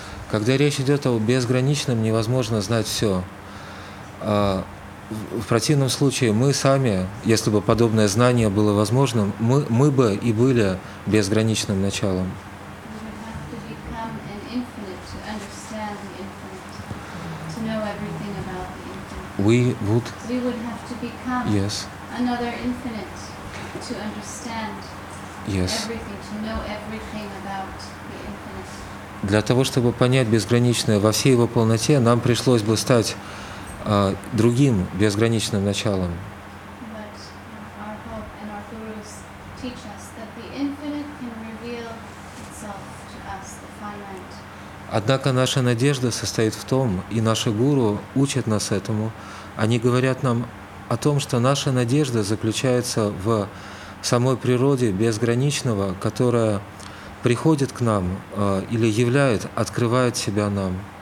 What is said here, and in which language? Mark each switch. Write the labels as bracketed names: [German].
[Russian] Когда речь идет о безграничном, невозможно знать все. В противном случае мы сами, если бы подобное знание было возможным, мы бы и были безграничным началом. [English] We would have to become an infinite to understand the infinite, to know everything about the infinite. We would. We would have to become. Yes. An another infinite to understand yes. everything, to know everything about the infinite. [Russian] Для того, чтобы понять безграничное во всей его полноте, нам пришлось бы стать другим безграничным началом. [English] But our hope and our gurus teach us that the infinite can reveal itself to us, the finite. [Russian] Однако наша надежда состоит в том, и наши гуру учат нас этому, они говорят нам о том, что наша надежда заключается в самой природе безграничного, которая приходит к нам или являет, открывает себя нам.